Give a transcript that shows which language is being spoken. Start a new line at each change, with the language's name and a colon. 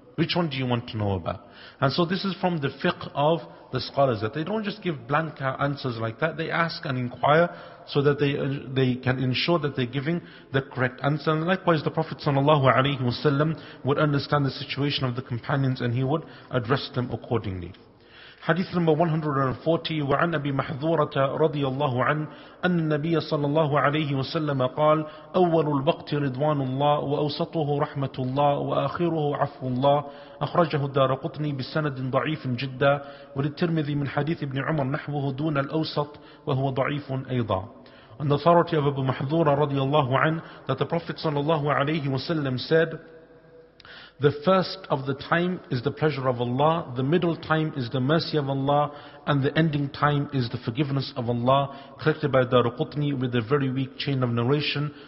English: Which one do you want to know about? And so this is from the fiqh of the scholars, that they don't just give blank answers like that. They ask and inquire so that they can ensure that they're giving the correct answer. And likewise, the Prophet ﷺ would understand the situation of the companions and he would address them accordingly. Hadith number 140,
Arabic: وَعَنْ أَبِي مَحْذُورَةَ رَضِيَ اللَّهُ عَنْ أَنَّ النَّبِيَّ صَلَّى اللَّهُ عَلَيْهِ وَسَلَّمَ قَالَ أَوَّلُ الْبَقْتِ رِضْوَانُ اللَّهِ وَأَوْسَطُهُ رَحْمَةُ اللَّهِ وَآخِرُهُ عَفْوُ اللَّهِ أخرجه الدارقطني بسند ضعيف جدا وللترمذي من حديث ابن عمر نحوه دون الأوسط وهو ضعيف أيضا.
English: On the authority of Abu Mahdura
Arabic: رَضِيَ اللَّهُ عَنْ,
English: that the Prophet
Arabic: صَلَّى اللَّهُ عَلَيْهِ وَسَلَّمَ
English: said, the first of the time is the pleasure of Allah, the middle time is the mercy of Allah, and the ending time is the forgiveness of Allah, collected by Dharuqutni with a very weak chain of narration.